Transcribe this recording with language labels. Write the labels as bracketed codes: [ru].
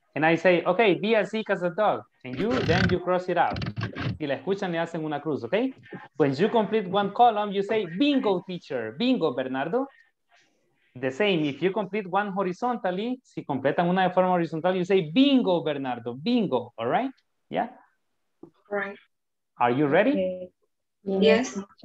[en] And I say, okay, be as sick as a dog. And you, then you cross it out. [es] Y la escuchan y hacen una cruz, okay? [en] When you complete one column, you say, bingo, teacher. Bingo, Bernardo. The same, if you complete one horizontally, [es] si completan una de forma horizontal, [en] you say, bingo, Bernardo. Bingo, all right? Yeah? Right. Are you ready? Okay. Yes.